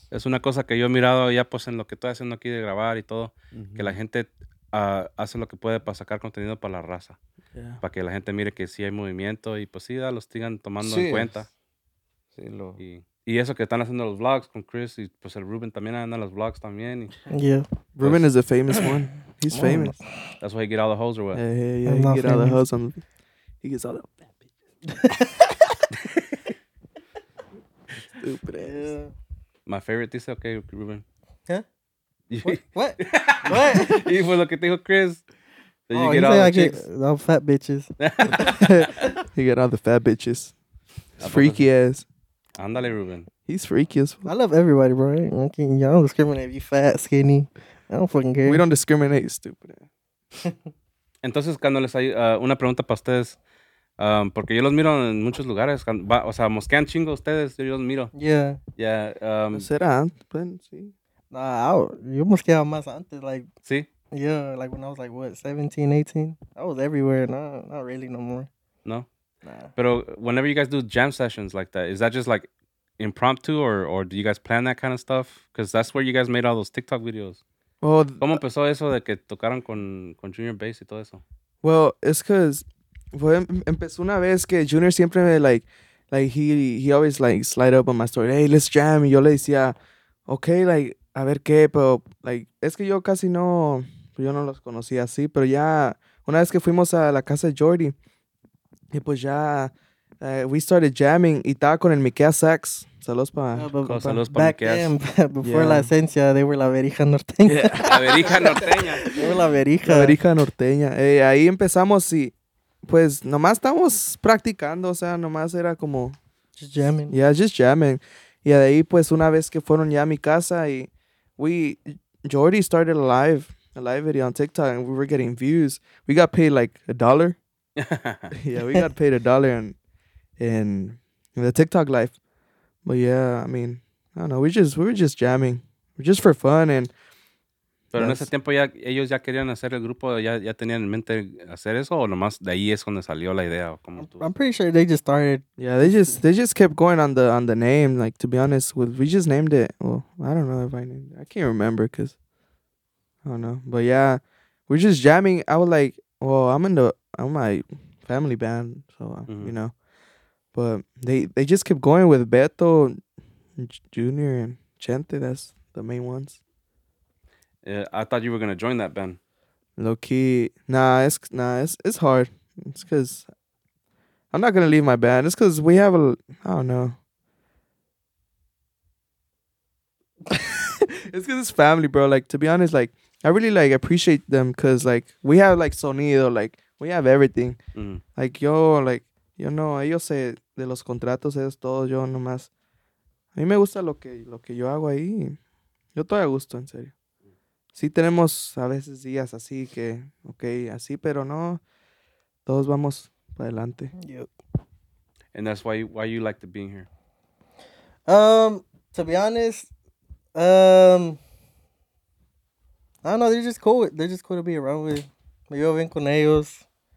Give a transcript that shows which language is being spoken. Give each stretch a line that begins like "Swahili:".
Spanish: Es una cosa que yo he mirado ya pues en lo que estoy haciendo aquí de grabar y todo, uh-huh, que la gente hace lo que puede para sacar contenido para la raza.
English: Yeah.
Spanish: Para que la gente mire que sí hay movimiento y pues sí, lo sigan tomando, sí, en cuenta. Es. Sí, lo... Y eso que están haciendo los vlogs con Chris y pues el Ruben también anda en los vlogs también. Y,
English: yeah. Ruben pues, is the famous one. He's famous. That's why he get all the hoes or what? Yeah, he get famous. All the hoes. And he gets all the bad bitches. Stupid ass. Yeah. My favorite, dice, okay, Ruben. Huh? What?
Spanish: Y fue lo que te dijo Chris.
English: Did you get all the chicks? No, fat bitches. He got all the fat bitches. It's freaky ass.
Spanish: Andale, Ruben.
English: He's freaky as fuck. I love everybody, bro. Y'all don't discriminate if you fat, skinny. I don't fucking care. We don't discriminate, stupid ass.
Spanish: Entonces, cuando les hay una pregunta para ustedes, porque yo los miro en muchos lugares, o sea, mosquean chingo ustedes, yo los miro.
English: Yeah. Yeah.
Spanish: ¿Será? Pues, sí. Yo mosqueaba más antes, like. Sí.
English: Yeah, like when I was like, what, 17, 18? I was everywhere, not really no more. No? Nah. Pero whenever you guys do jam sessions like that, is that just like impromptu or do you guys plan that kind of stuff? Because that's where you guys made all those TikTok videos. Well,
Spanish: ¿cómo empezó eso de que tocaron con Junior Bass y todo eso?
English: Well, it's because...
Spanish: Empezó una vez que Junior siempre me,
English: like he always, like, slide up on my story. Hey, let's jam.
Spanish: Y yo le decía, okay, like, a ver qué, pero, like, es que yo casi no, yo no los conocía así. Pero ya, una vez que fuimos a la casa de Jordy, y pues ya,
English: we started jamming.
Spanish: Y estaba con el Mikea Sax. Saludos para Mikea.
English: Before, yeah, la esencia, they were la verija norteña. Yeah. La verija norteña. They were la verija.
Spanish: La verija norteña. Hey, ahí empezamos y... Pues, nomás estamos practicando, o sea, nomás era como...
English: Just jamming. Yeah, just jamming. Y de ahí, pues, una vez que fueron ya a mi casa y... Jordy started a live video on TikTok and we were getting views. We got paid, like, $1. Yeah, we got paid $1 in the TikTok life. But, yeah, I mean, I don't know, we were just jamming. Just for fun and...
Spanish: Pero yes, en ese tiempo ya ellos ya querían hacer el grupo, ya tenían en mente hacer eso o nomás de ahí es donde salió la idea o como tú.
English: I'm pretty sure they just started. Yeah, they just kept going on the name, like, to be honest, we just named it. Well, I don't know if I named it. I can't remember because I don't know. But yeah, we're just jamming. I was like, well, I'm my family band, so mm-hmm, you know. But they just kept going with Beto Junior and Chente, that's the main ones. I thought you were gonna join that band. Low key, it's hard. It's because I'm not gonna leave my band. It's because we have a, I don't know. It's because it's family, bro. Like, to be honest, like, I really, like, appreciate them because, like, we have, like, sonido, like, we have everything. Mm-hmm.
Spanish: Like, ellos se de los contratos es todo yo nomás. A mí me gusta lo que yo hago ahí. Yo estoy a gusto, en serio. Sí tenemos a veces días así que, okay, así, pero no, todos vamos para adelante.
English: Yep. And that's why you like to be here. To be honest, I don't know, they're just cool to be around with.
Spanish: Me llevo bien con ellos.